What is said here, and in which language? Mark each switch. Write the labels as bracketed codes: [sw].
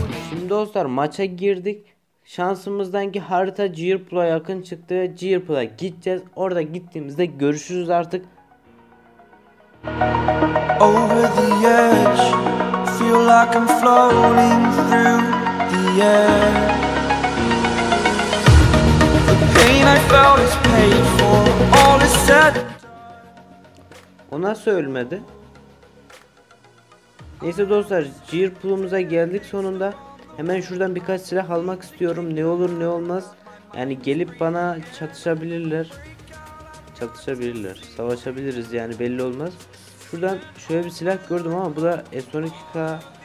[tr] Şimdi dostlar maça girdik. Şansımızdaki harita Cheerpool'a yakın çıktı. Cheerpool'a gideceğiz. Orada gittiğimizde görüşürüz artık. [en] Over the edge, feel like I'm floating through the air. The pain I felt is paid for, all is said. [tr] O nasıl ölmedi? Neyse dostlar, Cheerpool'umuza geldik sonunda. Hemen şuradan birkaç silah almak istiyorum. Ne olur ne olmaz. Yani gelip bana çatışabilirler. Çatışabilirler. Savaşabiliriz yani, belli olmaz. Şuradan şöyle bir silah gördüm ama bu da S12K.